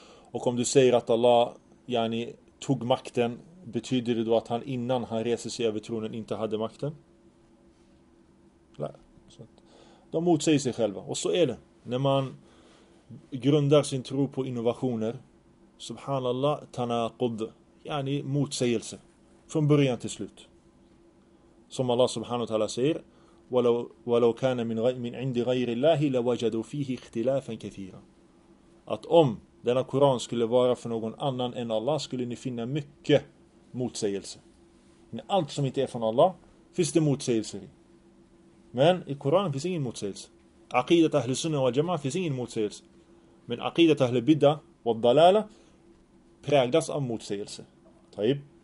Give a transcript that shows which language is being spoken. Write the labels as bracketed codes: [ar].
[sv] Och om du säger att Allah, yani, tog makten, betyder det då att han innan han reser sig över tronen inte hade makten? Nej. Så att de motsäger sig själva. Och så är det. När man grundar sin tro på innovationer, subhanallah, tanaqud, yani motsägelse, från början till slut. Som Allah subhanahu wa ta'ala säger, [ar] وَلَوْ كَانَ مِنْ عِنْدِ غَيْرِ اللَّهِ لَوَجَدُوا فِيهِ اخْتِلَافًا كَثِيرًا. [sv] att om denna Koran skulle vara för någon annan än Allah skulle ni finna mycket motsägelse. Men allt som inte är från Allah finns det motsägelser i. Men i Koran finns ingen motsägelse. Aqidat ahli sunnah wal jamaah finns ingen motsägelse. Men aqidat ahli bidda wal dalala präglas av motsägelse. Taib.